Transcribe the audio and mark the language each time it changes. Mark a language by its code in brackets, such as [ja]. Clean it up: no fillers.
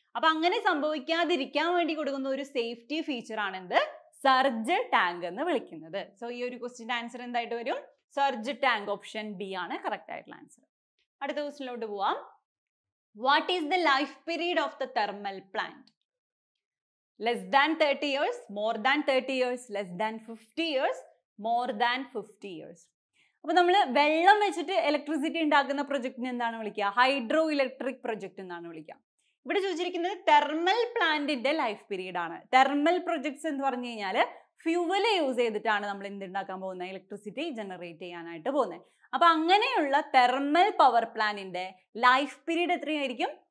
[ml] അപ്പൊ അങ്ങനെ സംഭവിക്കാതിരിക്കാൻ വേണ്ടി കൊടുക്കുന്ന ഒരു സേഫ്റ്റി ഫീച്ചർ ആണ് എന്ത്? സർജ് ടാങ്ക് എന്ന് വിളിക്കുന്നത്. സോ ഈ ഒരു ക്വസ്റ്റ്യൻ ആൻസർ എന്തായിട്ട് വരും? സർജ് ടാങ്ക്, ഓപ്ഷൻ ബി ആണ് കറക്റ്റ് ആയിട്ടുള്ള ആൻസർ. അടുത്ത ക്വസ്റ്റ്യനിലോട്ട് പോവാം. [en] What is the life period of the thermal plant? Less than 30 years, more than 30 years, less than 50 years, more than 50 years. [ml] അപ്പോൾ നമ്മൾ വെള്ളം വെച്ചിട്ട് ഇലക്ട്രിസിറ്റി ഉണ്ടാക്കുന്ന പ്രൊജക്റ്റിനെ എന്താണ് വിളിക്കുക? ഹൈഡ്രോ ഇലക്ട്രിക് പ്രൊജക്ട് എന്നാണ് വിളിക്കുക. ഇവിടെ ചോദിച്ചിരിക്കുന്നത് തെർമൽ പ്ലാന്റിന്റെ ലൈഫ് പീരീഡ് ആണ്. തെർമൽ പ്രൊജക്ട്സ് എന്ന് പറഞ്ഞു കഴിഞ്ഞാൽ ഫ്യൂവല് യൂസ് ചെയ്തിട്ടാണ് നമ്മൾ എന്തുണ്ടാക്കാൻ പോകുന്നത്? ഇലക്ട്രിസിറ്റി ജനറേറ്റ് ചെയ്യാനായിട്ട് പോകുന്നത്. അപ്പൊ അങ്ങനെയുള്ള തെർമൽ പവർ പ്ലാന്റിന്റെ ലൈഫ് പീരീഡ് എത്രയായിരിക്കും?